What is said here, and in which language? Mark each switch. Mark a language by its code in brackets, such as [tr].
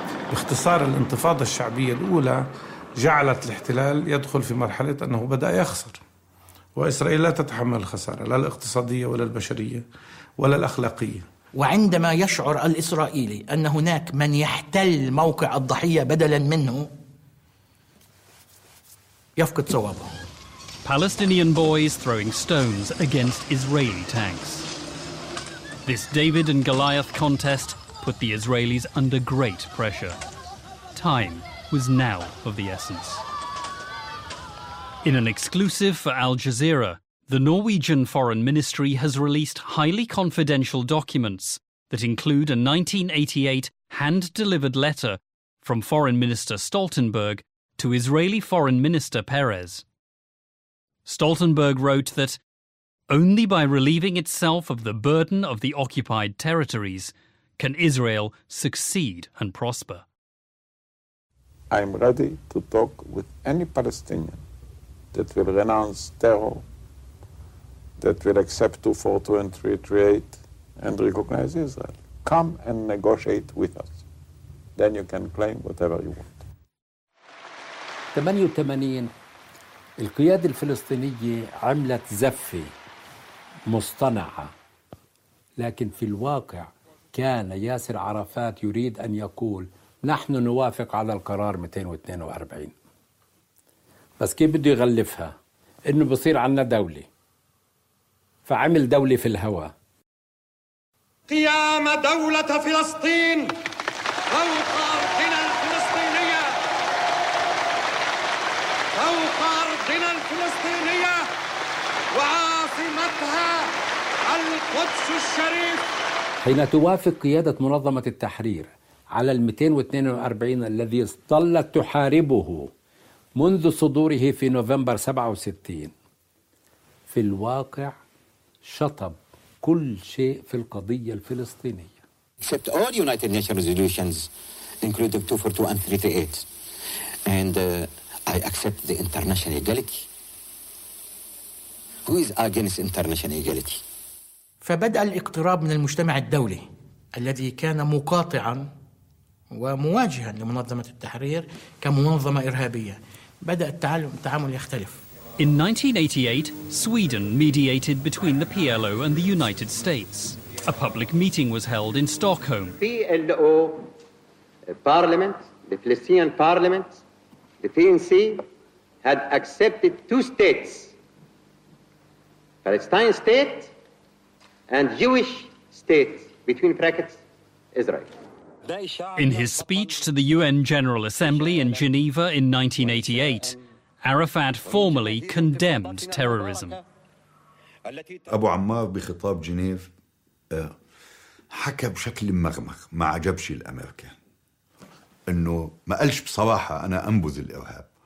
[ar] باختصار الانتفاضة الشعبية الأولى جعلت الاحتلال يدخل في مرحلة أنه بدأ يخسر وإسرائيل لا تتحمل الخسارة لا الاقتصادية ولا البشرية ولا الأخلاقية وعندما يشعر الإسرائيلي أن هناك من يحتل موقع الضحية بدلا منه يفقد صوابه [en] Palestinian boys throwing stones against Israeli tanks. This David and Goliath contest put the Israelis under great pressure. Time was now of the essence. In an exclusive for Al Jazeera, the Norwegian Foreign Ministry has released highly confidential documents that include a 1988 hand-delivered letter from Foreign Minister Stoltenberg to Israeli Foreign Minister Peres. Stoltenberg wrote that only by relieving itself of the burden of the occupied territories can Israel succeed and prosper. I am ready to talk with any Palestinian that will renounce terror, that will accept 242 and 338 and recognize Israel. Come and negotiate with us. Then you can claim whatever you want. [ar] 88 القيادة الفلسطينية عملت زفة مصطنعة لكن في الواقع كان ياسر عرفات يريد أن يقول نحن نوافق على القرار 242 بس كيف بده يغلفها إنه بصير عنا دولة فعمل دولة في الهواء قيام دولة فلسطين فوق أرضنا الفلسطينية فوق أرضنا الفلسطينية وعاصمتها القدس الشريف حين توافق قيادة منظمة التحرير على الـ 242 الذي ظلت تحاربه منذ صدوره في نوفمبر 67 في الواقع شطب كل شيء في القضية الفلسطينية [en] except all United Nations resolutions including 242 and 338 and I accept the international equality who is against international equality [ar] فبدأ الاقتراب من المجتمع الدولي الذي كان مقاطعاً ومواجهاً لمنظمة التحرير كمنظمة إرهابية بدأ التعامل يختلف [en] In 1988, Sweden mediated between the PLO and the United States. A public meeting was held in Stockholm. PLO Parliament, the Palestinian Parliament, the PNC had accepted two states. Palestine state and Jewish state, between brackets, Israel. In his speech to the UN General Assembly in Geneva in 1988, Arafat formally condemned terrorism. [ar] التي أبو عمار بخطاب جنيف حكى بشكل مغمغ ما عجبش الأمريكان، أنه ما قالش بصراحة أنا أنبذ الإرهاب.